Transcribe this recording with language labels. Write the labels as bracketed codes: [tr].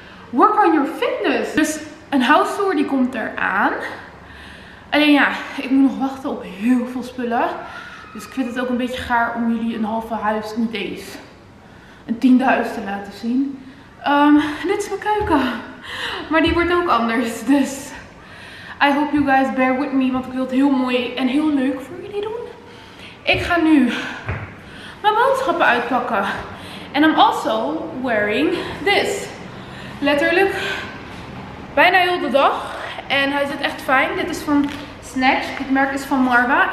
[en] Work on your fitness. [nl] Dus een house tour die komt eraan. Alleen ja, ik moet nog wachten op heel veel spullen. Dus ik vind het ook een beetje gaar om jullie een halve huis, niet eens, een tiende huis te laten zien. Dit is mijn keuken. Maar die wordt ook anders. [en] Dus I hope you guys bear with me. [nl] Want ik wil het heel mooi en heel leuk voor jullie doen. Ik ga nu mijn boodschappen uitpakken. En [en] I'm also wearing this. [nl] Letterlijk bijna heel de dag. En hij zit echt fijn. Dit is van Snatch. Het merk is van Marwa.